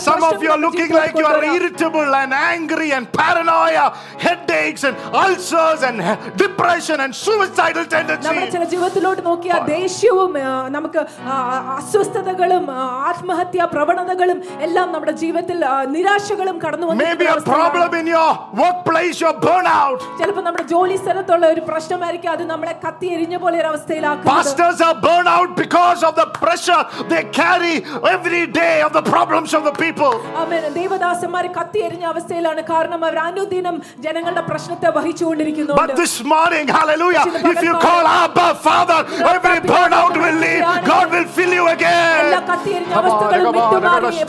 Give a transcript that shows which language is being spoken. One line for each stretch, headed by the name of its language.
Malayalam: പ്രശ്നങ്ങളും
English: and paranoia, headaches and ulcers and depression and suicidal tendencies.
Malayalam: നമ്മുടെ ചില ജീവിതത്തിലോട്ട് നോക്കിയാൽ ദേഷ്യവും നമുക്ക് അസ്വസ്ഥതകളും ആത്മഹത്യാ പ്രവണതകളും എല്ലാം നമ്മുടെ ജീവിതത്തിൽ നിരാശകളും കടന്നു വന്നു.
English: Maybe a problem in your workplace, your burnout.
Malayalam: ചിലപ്പോൾ നമ്മുടെ ജോലി സ്ഥലത്തുള്ള ഒരു പ്രശ്നമായിരിക്കും അത് നമ്മളെ കത്തി എരിഞ്ഞ പോലെ ഒരു അവസ്ഥയിലാക്കുന്നത്.
English: Pastors are burned out because of the pressure they carry every day of the problems of the people.
Malayalam: ആമേൻ. ദൈവദാസന്മാർ കത്തി എരിഞ്ഞ അവസ്ഥയിലാണ് കാരണം അവർ അനുദിനം ജനങ്ങളുടെ പ്രശ്നത്തെ വഹിച്ചുകൊണ്ടിരിക്കുന്നു.
English: But this morning, hallelujah, if you call Abba Father, every burnout will leave. God will fill you again.
Malayalam: എല്ലാ കത്തിയെരിഞ്ഞ അവസ്ഥകളും വിട്ടുമാറി.